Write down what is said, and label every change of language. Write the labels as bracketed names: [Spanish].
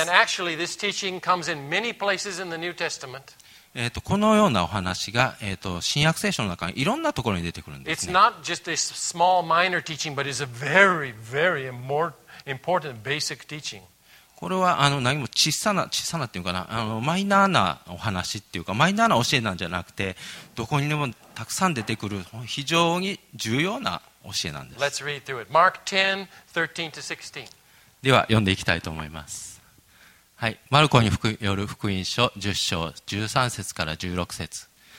[English] And actually, this teaching comes in many places in the New Testament. [Japanese] このようなお話が、新約聖書の中にいろんなところに出てくるんですね。 [English] It's not just a small minor teaching, but it's a very, very important basic teaching. [Japanese] これは何も小さなっていうかな、マイナーなお話っていうかマイナーな教えなんじゃなくて、どこにでもたくさん出てくる非常に重要な教えなんです。 [English] Let's read through it. Mark 10:13-16. [Japanese] では読んでいきたいと思います。はい、マルコによる福音書10章13節から16節。